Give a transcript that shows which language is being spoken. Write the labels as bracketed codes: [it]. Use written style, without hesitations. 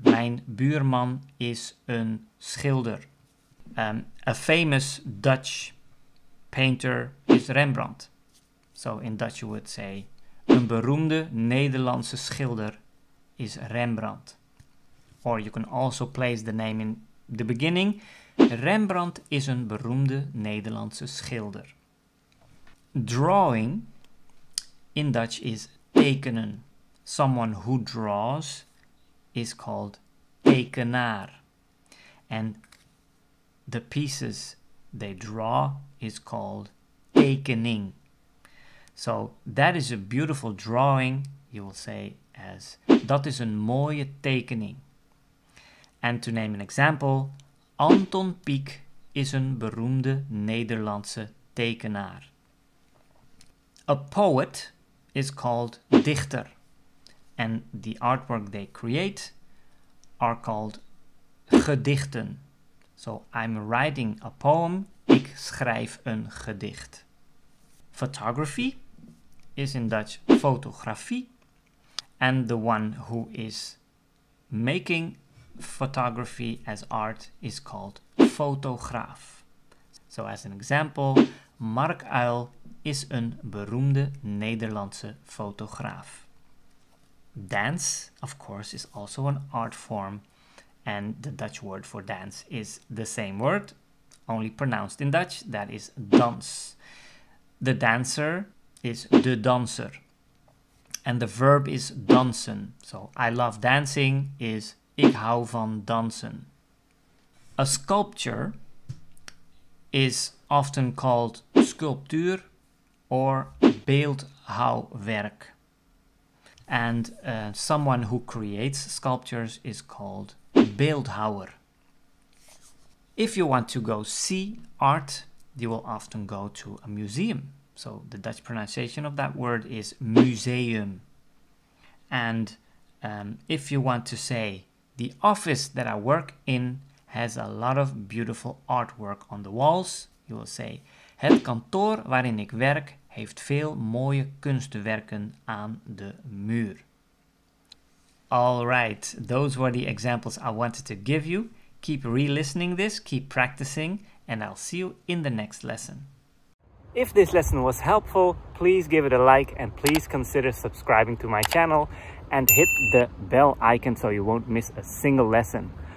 [nl] Mijn buurman is een schilder. [en] A famous Dutch painter is Rembrandt. So in Dutch you would say, [nl] een beroemde Nederlandse schilder is Rembrandt. [en] Or you can also place the name in the beginning. [nl] Rembrandt is een beroemde Nederlandse schilder. [en] Drawing in Dutch is tekenen. Someone who draws is called tekenaar. And the pieces they draw is called tekening. So that is a beautiful drawing, you will say as [nl] dat is een mooie tekening. [en] And to name an example, Anton Pieck [nl] is een beroemde Nederlandse tekenaar. [en] A poet is called dichter. And the artwork they create are called gedichten. So I'm writing a poem, [nl] ik schrijf een gedicht. [en] Photography is in Dutch fotografie. And the one who is making photography as art is called fotograaf. So as an example, Mark Uyl [nl] is een beroemde Nederlandse fotograaf. [en] Dance, of course, is also an art form. And the Dutch word for dance is the same word, only pronounced in Dutch, that is dans. The dancer is de danser. And the verb is dansen. So I love dancing is [nl] ik hou van dansen. [en] A sculpture is often called sculptuur or beeldhouwwerk. And someone who creates sculptures is called beeldhouwer. If you want to go see art, you will often go to a museum. So the Dutch pronunciation of that word is museum. And if you want to say, the office that I work in has a lot of beautiful artwork on the walls, you will say, [nl] het kantoor waarin ik werk heeft veel mooie kunstwerken aan de muur. [en] All right, those were the examples I wanted to give you. Keep re-listening this, keep practicing, and I'll see you in the next lesson. If this lesson was helpful, please give it a like and please consider subscribing to my channel and hit the bell icon so you won't miss a single lesson.